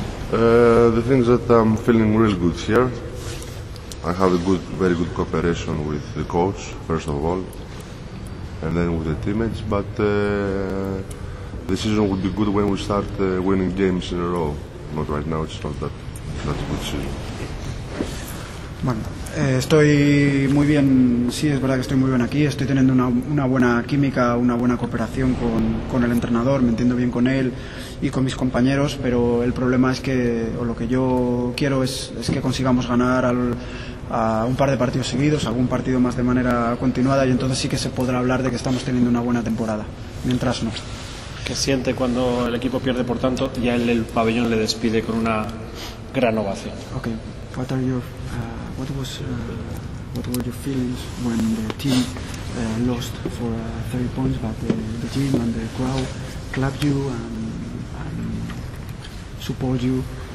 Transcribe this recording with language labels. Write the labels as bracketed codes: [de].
[en] The thing is that I'm feeling real good here. I have a good, very good cooperation with the coach, first of all, and then with the teammates. But the season would be good when we start winning games in a row. Not right now, it's not that good season. [es] Bueno, estoy muy bien, sí, es verdad que estoy muy bien aquí. Estoy teniendo una buena química, una buena cooperación con el entrenador, me entiendo bien con él y con mis compañeros, pero el problema es que, o lo que yo quiero es que consigamos ganar a un par de partidos seguidos, algún partido más de manera continuada, y entonces sí que se podrá hablar de que estamos teniendo una buena temporada. Mientras no. ¿Qué siente cuando el equipo pierde, por tanto, y a él el pabellón le despide con una gran ovación? [en] Ok, what are your... what were your feelings when the team lost for 30 points, but the gym and the crowd clapped you and support you?